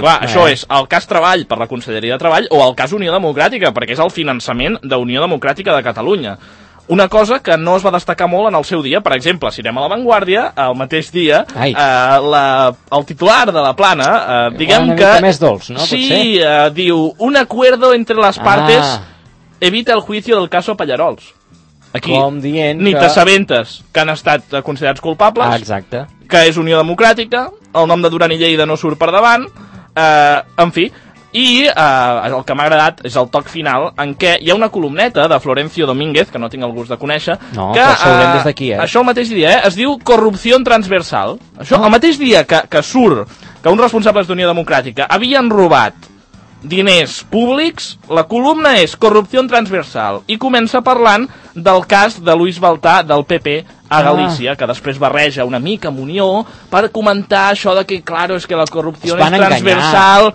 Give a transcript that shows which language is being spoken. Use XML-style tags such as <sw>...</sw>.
<ca>clar, això és el cas Treball per la Conselleria de Treball o el cas Unió Democràtica, perquè és el finançament de Unió Democràtica de Catalunya. Una cosa que no es va destacar molt en el seu dia, per exemple, si anem a La Vanguardia, el mateix dia, el titular de La Plana, diguem una Una mica més dolç, no?</ca> <es>Sí,</es> <ca>diu,</ca> <es>un acuerdo entre las partes evita el juicio del caso Pallerols.</es> <ca>Aquí, com dient ni que... t'assabentes que han estat considerats culpables, exacte, que és Unió Democràtica, el nom de Duran i Lleida no surt per davant, en fi... I el que m'ha agradat és el toc final en què hi ha una columneta de Florencio Domínguez, que no tinc el gust de conèixer, no, que des d'aquí, això el mateix dia, es diu Corrupció Transversal. Això, el mateix dia que surt que uns responsables d'Unió Democràtica havien robat diners públics, la columna és Corrupció Transversal i comença parlant del cas de Luis Baltà del PP a Galícia, que després barreja una mica amb Unió per comentar això de que, claro, és que la corrupció és transversal,</ca>